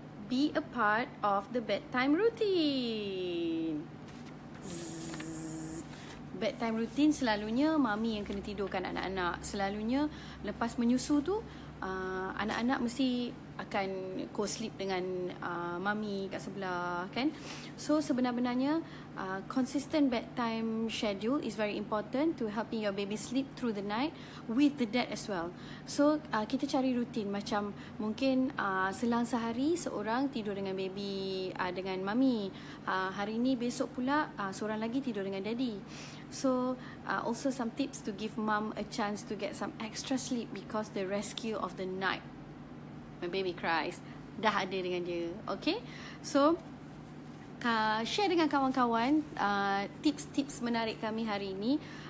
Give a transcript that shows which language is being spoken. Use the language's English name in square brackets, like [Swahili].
[English] Be a part of the bedtime routine. [Malay] Bedtime routine selalunya mami yang kena tidurkan anak-anak. Selalunya lepas menyusu tu anak-anak mesti akan co-sleep dengan mami kat sebelah, kan? [English] So sebenarnya consistent bedtime schedule is very important to helping your baby sleep through the night with the dad as well. [Malay] So kita cari rutin, macam mungkin selang sehari seorang tidur dengan baby dengan mami, hari ini besok pula seorang lagi tidur dengan daddy. [English] So also some tips to give mom a chance to get some extra sleep because the rescue of the night. My baby cries, [Malay] dah ada dengan dia. Okay, so share dengan kawan-kawan tips-tips menarik kami hari ini.